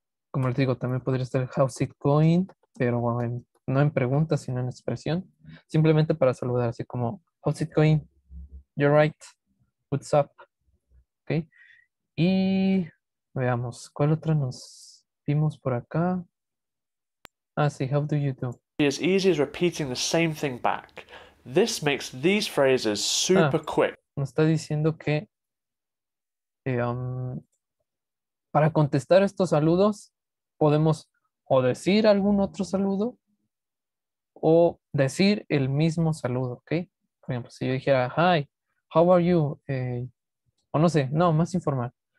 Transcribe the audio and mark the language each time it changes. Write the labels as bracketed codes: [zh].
[es] Como les digo, también podría ser [en] how's it going, [es] pero no en preguntas, sino en expresión. Simplemente para saludar, así como [en] how's it going? You're right. What's up? Ok. [es] Y veamos, ¿cuál otra nos vimos por acá? Ah, sí, [en] how do you do? As easy as repeating the same thing back. This makes these phrases super quick. [es] Nos está diciendo que para contestar estos saludos podemos o decir algún otro saludo o decir el mismo saludo, ¿ok? Por ejemplo, si yo dijera, [en] hi, how are you? [es] Más informal.